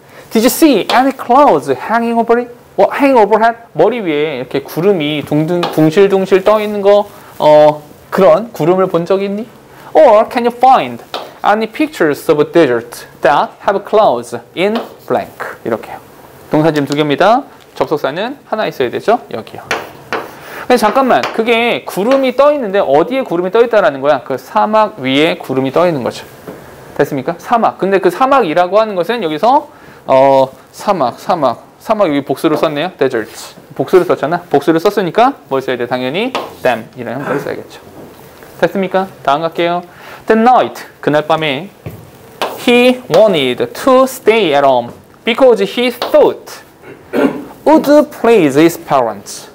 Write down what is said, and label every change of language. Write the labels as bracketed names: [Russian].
[English] Did you see any clouds hanging over it? Hanging overhead? [Korean] 머리 위에 이렇게 구름이 둥둥 둥실둥실 떠 있는 거 그런 구름을 본 적이 있니? [English] Or can you find any pictures of a desert that have clouds in blank? [Korean] 이렇게요. 동사 지금 두 개입니다. 접속사는 하나 있어야 되죠? 여기요. 근데 잠깐만, 그게 구름이 떠 있는데 어디에 구름이 떠 있다라는 거야? 그 사막 위에 구름이 떠 있는 거죠. 됐습니까? 사막. 근데 그 사막이라고 하는 것은 여기서 사막 여기 복수로 썼네요. desert. 복수를 썼잖아. 복수를 썼으니까 뭘 써야 돼? 당연히 them 이라는 형태를 써야겠죠. 됐습니까? 다음 갈게요. [English] The night, [Korean] 그날 밤에 [English] He wanted to stay at home because he thought would please his parents.